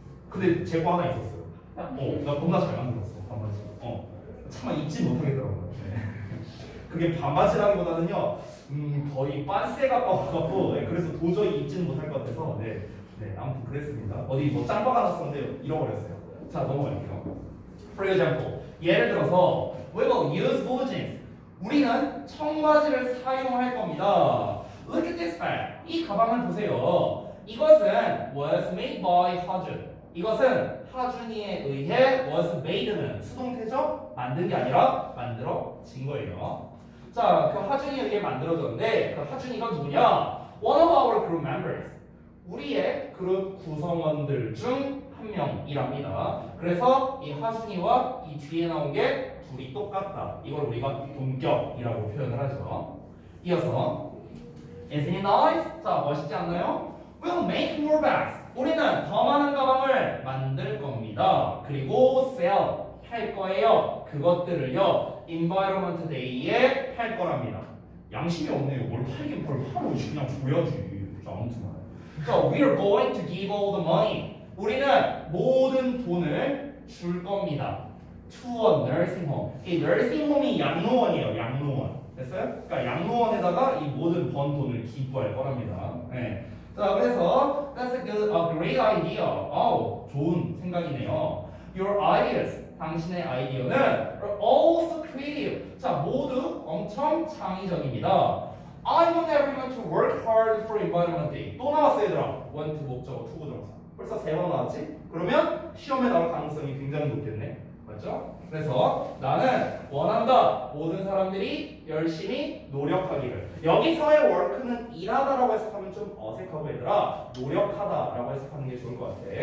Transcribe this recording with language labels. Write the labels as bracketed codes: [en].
[ko] 근데 제 거 하나 있었어요. 나 겁나 잘 만들었어 반바지. 참아 입지 못하겠더라고요. 그게 반바지라는 거는요, 거의 빤세 가까워갖고, 그래서 도저히 입지는 못할 것 같아서, 아무튼 그랬습니다. 어디 뭐 짱바가 났었는데 잃어버렸어요. 자, 넘어갈게요. [en] For example, [ko] 예를 들어서, [en] we will use blue jeans. [ko] 우리는 청바지를 사용할 겁니다. [en] Look at this bag. [ko] 이 가방을 보세요. 이것은 [en] was made by 하준. [ko] 이것은 하준이에 의해 was made는 수동태죠? 만든 게 아니라 만들어진 거예요. 자, 그 하준이에 의해 만들어졌는데 그 하준이가 누구냐? [en] One of our group members. [ko] 우리의 그룹 구성원들 중 한 명이랍니다. 그래서 이 하준이와 이 뒤에 나온 게 둘이 똑같다. 이걸 우리가 동격이라고 표현을 하죠. 이어서 [en] Isn't it nice? [ko] 자, 멋있지 않나요? [en] We'll make more bags. [ko] 우리는 더 많은 가방을 만들 겁니다. 그리고 [en] sell [ko] 할 거예요. 그것들을요. Environment Day에 팔 거랍니다. 양심이 없네요. 뭘 팔긴 뭘 팔아. 그냥 줘야지. 아무튼 말이에요. [en] We're going to give all the money. [ko] 우리는 모든 돈을 줄 겁니다. [en] To a nursing home. [ko] 이 nursing home이 양로원이에요. 양로원. 됐어요? 그러니까 양로원에다가 이 모든 번 돈을 기부할 거랍니다. 네. 자, 그래서 [en] that's a great idea. [ko] 아우, 좋은 생각이네요. [en] Your ideas, [ko] 당신의 아이디어는 [en] are also creative. [ko] 자, 모두 엄청 창의적입니다. [en] I want everyone to work hard for environment day. [ko] 또 나왔어, 얘들아. Want 목적어, 투 부정사. 벌써 세 번 나왔지? 그러면 시험에 나올 가능성이 굉장히 높겠네. 맞죠? 그래서 나는 원한다. 모든 사람들이 열심히 노력하기를. 여기서의 work는 일하다라고 해석하면 좀 어색하고 얘들아 노력하다라고 해석하는 게 좋을 것 같아.